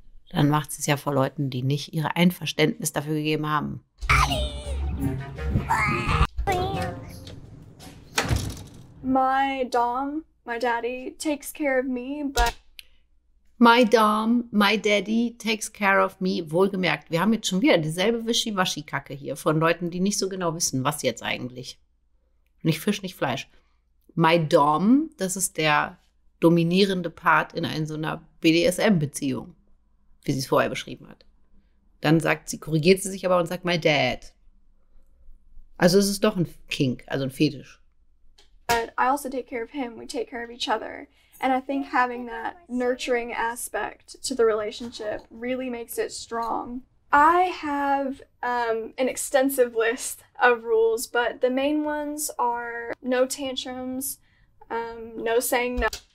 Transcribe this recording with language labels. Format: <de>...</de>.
<de>Dann macht sie es ja vor Leuten, die nicht ihr Einverständnis dafür gegeben haben.</de> <en>My Dom, my Daddy, takes care of me, but... My Dom, my Daddy takes care of me.</en> <de>Wohlgemerkt, wir haben jetzt schon wieder dieselbe Wischiwaschi-Kacke hier von Leuten, die nicht so genau wissen, was jetzt eigentlich. Nicht Fisch, nicht Fleisch. My Dom, das ist der dominierende Part in einer so einer BDSM-Beziehung, wie sie es vorher beschrieben hat. Dann sagt sie, korrigiert sie sich aber und sagt</de> <en>my Dad.</en> <de>Also es ist doch ein Kink, also ein Fetisch.</de> <en>But I also take care of him, we take care of each other. And I think having that nurturing aspect to the relationship really makes it strong. I have an extensive list of rules, but the main ones are no tantrums, no saying no.</en>